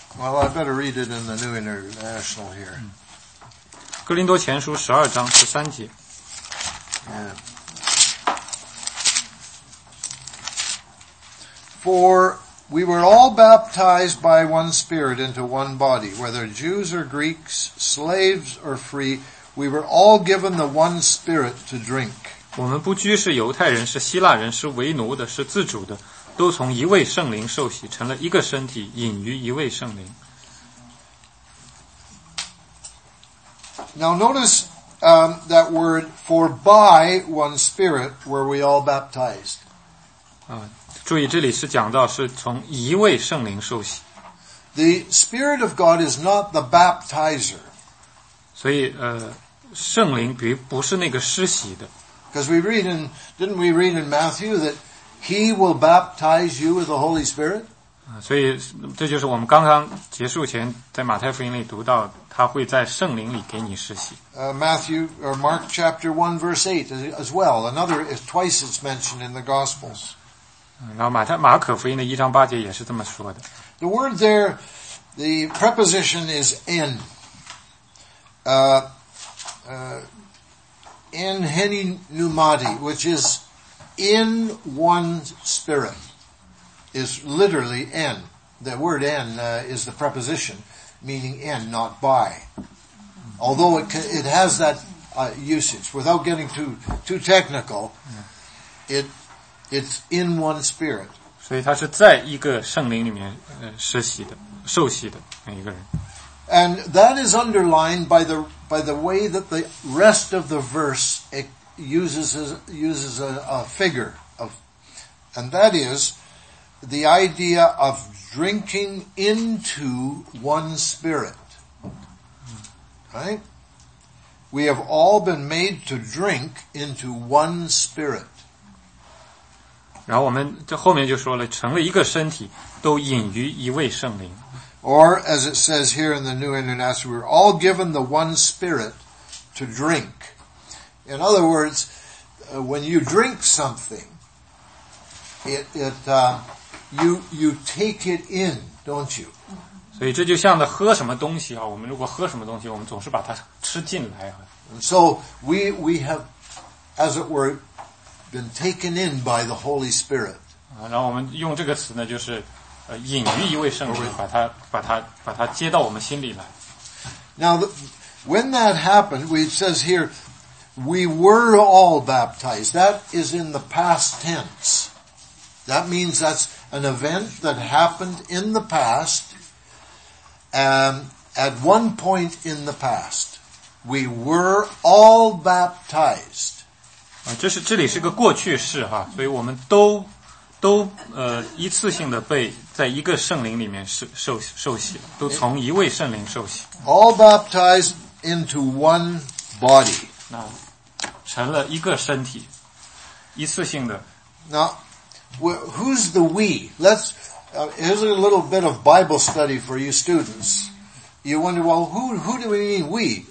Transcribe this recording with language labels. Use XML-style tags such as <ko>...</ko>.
<en>Well, I better read it in the New International here.</en> <zh>哥林多前书十二章十三节。</zh> <en>For we were all baptized by one Spirit into one body, whether Jews or Greeks, slaves or free, we were all given the one Spirit to drink.</en> <zh>我们不拘是犹太人，是希腊人，是为奴的，是自主的。都从一位圣灵受洗，成了一个身体，饮于一位圣灵。</zh> <en>Now notice, that word "for by one Spirit were we all baptized."</en> <zh>注意这里是讲到是从一位圣灵受洗。</zh> <en>The Spirit of God is not the baptizer.</en> <zh>所以圣灵不是那个施洗的。</zh> <en>Because we read in, didn't we read in Matthew that? He will baptize you with the Holy Spirit.</en> <zh>所以这就是我们刚刚结束前在马太福音里读到，他会在圣灵里给你施洗。</zh> <en>Matthew or Mark chapter 1 verse 8 as well. Another is twice it's mentioned in the Gospels.</en> <zh>然后马可福音的一章八节也是这么说的。</zh> <en>The word there, the preposition is in.</en> <el>In heni pneumati,</el> <en>which is. In one spirit is literally in. The word in, is the preposition meaning in, not by. Although it has that, usage. Without getting too technical, it's in one spirit.</en> <zh>所以他是在一个圣灵里面施洗的受洗的每一个人。</zh> <en>And that is underlined by the way that the rest of the verse uses a figure of, and that is the idea of drinking into one spirit. Right? We have all been made to drink into one spirit.</en> <zh>然后我们这后面就说了，成了一个身体，都饮于一位圣灵。</zh> <en>Or as it says here in the New International, we're all given the one spirit to drink. In other words, when you drink something, you take it in, don't you?</en> <zh>所以这就像的喝什么东西啊，我们如果喝什么东西，我们总是把它吃进来。</zh> <en>And so we have, as it were, been taken in by the Holy Spirit.</en> <zh>然后我们用这个词呢，就是饮于一位圣灵，把它接到我们心里来。</zh> <en>Now, when that happened, it says here, we were all baptized. That is in the past tense. That means that's an event that happened in the past, at one point in the past. We were all baptized.</en> <zh>这里是个过去式哈，所以我们都一次性的被在一个圣灵里面受洗，都从一位圣灵受洗。</zh> <en>All baptized into one body.</en> <zh>那成了一个身体，一次性的。</zh> <en>Now, who's the we? Here's a little bit of Bible study for you students. You wonder, well, who do we mean we?</en>